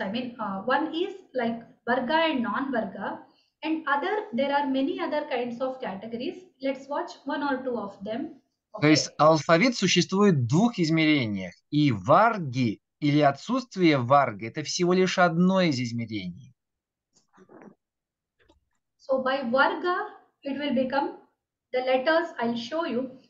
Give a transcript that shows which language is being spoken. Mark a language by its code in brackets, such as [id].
[en] I mean, one is like varga and non-varga, and other there are many other kinds of categories. Let's watch one or two of them. [ru] То есть алфавит существует в двух измерениях. И варги или отсутствие варги – это всего лишь одно из измерений. [en] So by varga, it will become the letters I'll show you.